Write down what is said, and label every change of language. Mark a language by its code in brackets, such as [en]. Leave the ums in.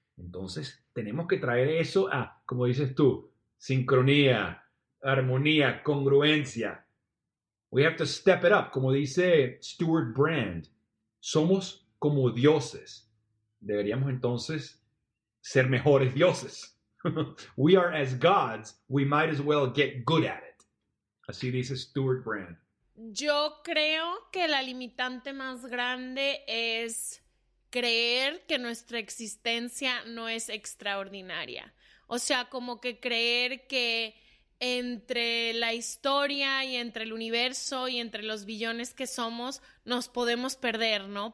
[es] Entonces tenemos que traer eso a, como dices tú, sincronía, armonía, congruencia. [en] We have to step it up, [es] como dice Stuart Brand. Somos como dioses. Deberíamos entonces ser mejores dioses. [en] we are as gods, we might as well get good at it. [es] Así dice Stuart Brand. Yo creo que la limitante más grande es creer que nuestra existencia no es extraordinaria. O sea, como que creer que entre la historia y entre el universo y entre los billones que somos, nos podemos perder, ¿no?